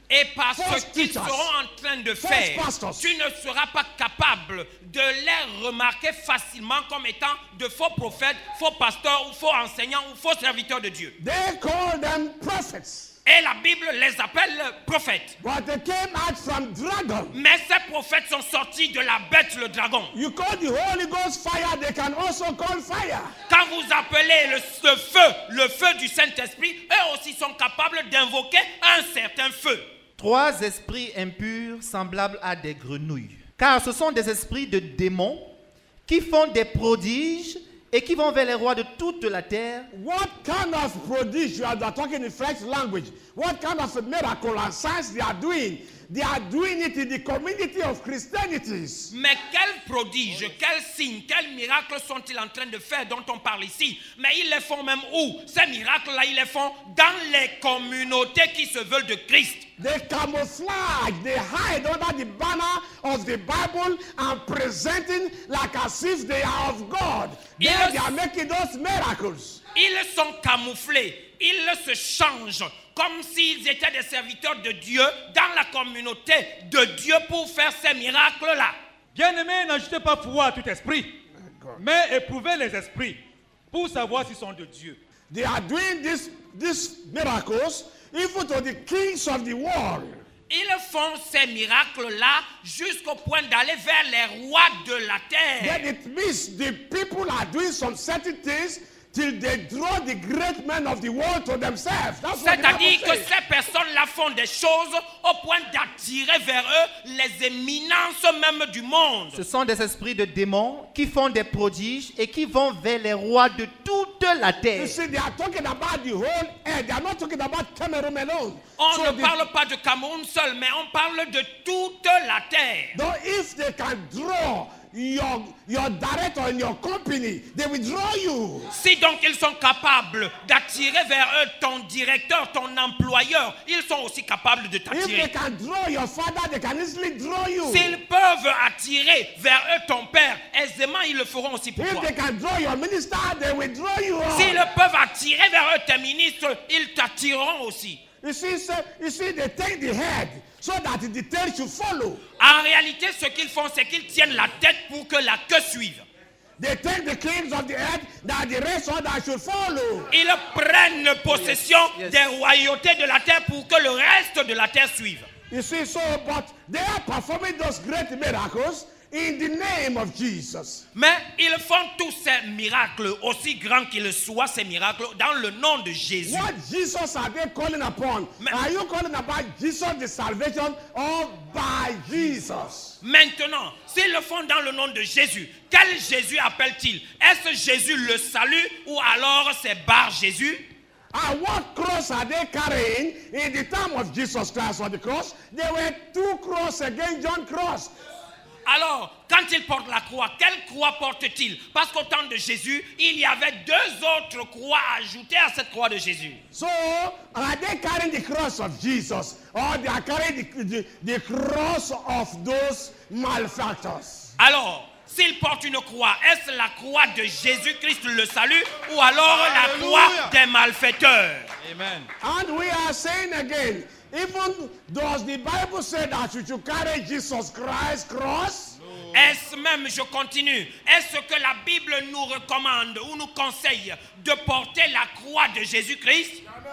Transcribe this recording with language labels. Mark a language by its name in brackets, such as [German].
[French] Et par ce qu'ils seront en train de faire, tu ne seras pas capable de les remarquer facilement comme étant de faux prophètes, faux pasteurs, ou faux enseignants, ou faux serviteurs de Dieu. [English] They call them prophets. [French] Et la Bible les appelle prophètes. [English] But they came out from dragon. [French] Mais ces prophètes sont sortis de la bête, le dragon. [English] You call the Holy Ghost fire, they can also call fire. [French] Quand vous appelez le feu du Saint-Esprit, eux aussi sont capables d'invoquer un certain feu. Trois esprits impurs semblables à des grenouilles. Car ce sont des esprits de démons qui font des prodiges et qui vont vers les rois de toute la terre. [English] What kind of prodigy you are talking in French language? What kind of miracle and science they are doing? They are doing it in the community of Christianity. [French] Mais quel prodige, quel signe, quel miracle sont-ils en train de faire dont on parle ici? Mais ils les font même où? Ces miracles-là, ils les font dans les communautés qui se veulent de Christ. [English] They camouflage, they hide under the banner of the Bible and presenting like as if they are of God. Then they are making those miracles. [French] Ils sont camouflés, ils se changent comme s'ils étaient des serviteurs de Dieu dans la communauté de Dieu pour faire ces miracles-là. Bien-aimés, n'ajoutez pas foi à tout esprit, mais éprouvez les esprits pour savoir s'ils sont de Dieu. [English] They are doing these miracles even to the kings of the world. [French] Ils font ces miracles-là jusqu'au point d'aller vers les rois de la terre. [English] Then it means the people are doing some certain things till they draw the great men of the world to themselves. [French] C'est-à-dire que ces personnes-là font des choses au point d'attirer vers eux les éminences même du monde. Ce sont des esprits de démons qui font des prodiges et qui vont vers les rois de toute la terre. [English] You see, they are talking about the whole earth. They are not talking about Cameroon alone. [French] On ne parle pas de Cameroun seul, mais on parle de toute la terre. [English] Donc, if they can draw your director and your company, they will draw you. [French] Si donc ils sont capables d'attirer vers eux ton directeur, ton employeur, ils sont aussi capables de t'attirer. [English] If they can draw your father, they can easily draw you. [French] S'ils peuvent attirer vers eux ton père, aisément ils le feront aussi pour toi. [English] If they can draw your minister, they will draw you. [French] S'ils peuvent attirer vers eux tes ministres, ils t'attireront aussi. [English] You see, they take the head so that the tail should follow. [French] En réalité, ce qu'ils font, c'est qu'ils tiennent la tête pour que la queue suive. [English] They take the kings of the earth that the rest of that should follow. [French] Ils prennent possession des royautés de la terre pour que le reste de la terre suive. [English] You see, so but they are performing those great miracles in the name of Jesus. [French] Mais ils font tous ces miracles, aussi grands qu'ils soient ces miracles, dans le nom de Jésus. [English] What Jesus are they calling upon? Are you calling about Jesus the salvation or by Jesus? [French] Maintenant, s'ils le font dans le nom de Jésus, quel Jésus appelle-t-il? Est-ce Jésus le salut ou alors c'est bar Jésus? [English] And what cross are they carrying in the time of Jesus Christ on the cross? There were two crosses against John cross. [French] Alors, quand il porte la croix, quelle croix porte-t-il? Parce qu'au temps de Jésus, il y avait deux autres croix ajoutées à cette croix de Jésus. [English] So, are they carrying the cross of Jesus? Or they are carrying the cross of those malefactors? [French] Alors, s'il porte une croix, est-ce la croix de Jésus-Christ le salut ou alors la croix des malfaiteurs? [English] Amen. And we are saying again, even does the Bible say that you should carry Jesus Christ's cross? No. [French] Est-ce même, je continue, est-ce que la Bible nous recommande ou nous conseille de porter la croix de Jésus-Christ?